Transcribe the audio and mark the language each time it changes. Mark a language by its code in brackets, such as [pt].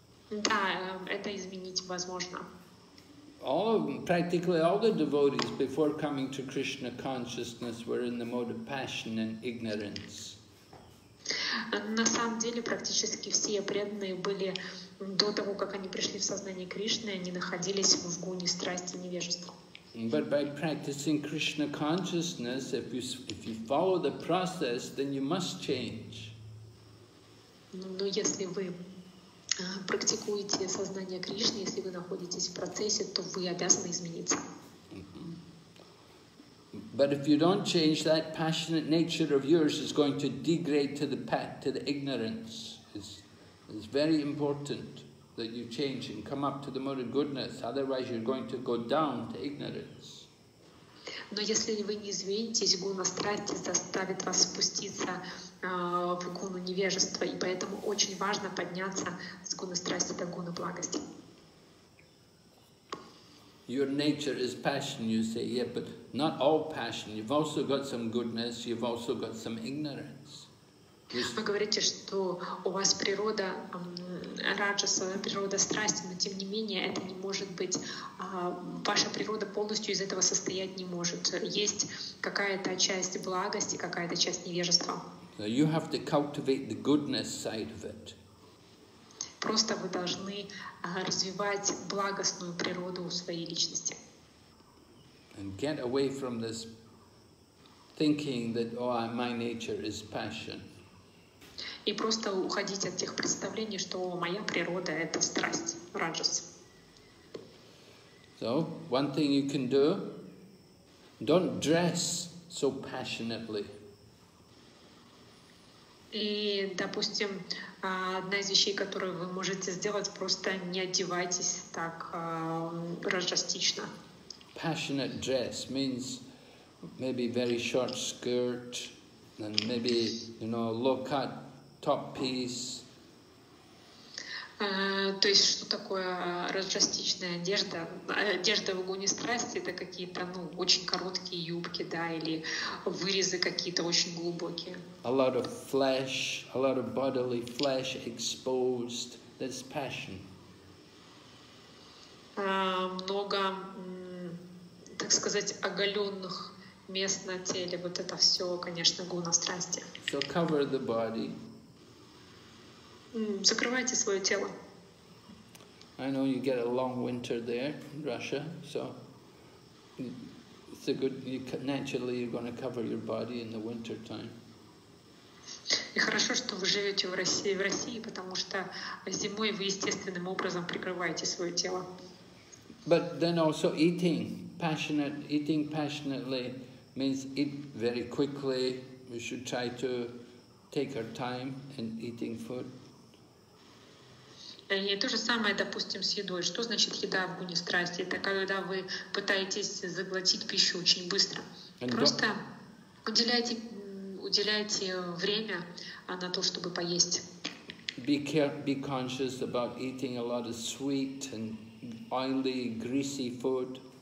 [ru] Да, это изменить возможно. [en] All of them, practically all the devotees before coming to Krishna consciousness were in the mode of passion and ignorance. [ru] На самом деле, практически все преданные были до того, как они пришли в сознание Кришны, они находились в гуне страсти и невежества. [en] But by practicing Krishna consciousness, if you follow the process, then you must change. [ru] Но если вы практикуете сознание Кришны, если вы находитесь в процессе, то вы обязаны измениться. [en] But if you don't change, that passionate nature of yours is going to degrade to the path, to the ignorance. It's very important that you change and come up to the mode of goodness, otherwise you're going to go down to ignorance. [ru] Но если вы не изменитесь, гуна страсти заставит вас спуститься в гуну невежества, и поэтому очень важно подняться с гуны страсти до гуны благости. [en] Your nature is passion, you say, yeah, but not all passion. You've also got some goodness, you've also got some ignorance. [ru] Вы говорите, что у вас природа раджаса, природа страсти, но тем не менее это не может быть, ваша природа полностью из этого состоять не может. Есть какая-то часть благости, какая-то часть невежества. [en] So you have to cultivate the goodness side of it. [ru] Просто вы должны развивать благостную природу у своей личности. [en] And get away from this thinking that, oh, my nature is passion. [ru] И просто уходить от тех представлений, что моя природа — это страсть, раджас. [en] So, one thing you can do, don't dress so passionately. [ru] И, допустим, одна из вещей, которую вы можете сделать, просто не одевайтесь так раджастично. [en] Passionate dress means maybe very short skirt, and maybe, you know, low cut, top piece. [ru] То есть что такое раджастичная одежда? Одежда в гуне страсти — это какие-то, ну, очень короткие юбки, да, или вырезы какие-то очень глубокие. [en] A lot of flesh, a lot of bodily flesh exposed. That's passion. [ru] Много, так сказать, оголенных мест на теле. Вот это все, конечно, гуна страсти. [en] So cover the body. [ru] Закрывайте свое тело. [en] I know you get a long winter there in Russia, so it's a good. You, naturally, you're going to cover your body in the winter time. [ru] И хорошо, что вы живете в России, потому что зимой вы естественным образом прикрываете свое тело. [en] But then also eating, passionately means eat very quickly. We should try to take our time in eating food. [ru] И то же самое, допустим, с едой. Что значит еда в гуне страсти? Это когда вы пытаетесь заглотить пищу очень быстро. Просто уделяйте время на то, чтобы поесть. [en] Be conscious about eating a lot of sweet and oily, greasy food.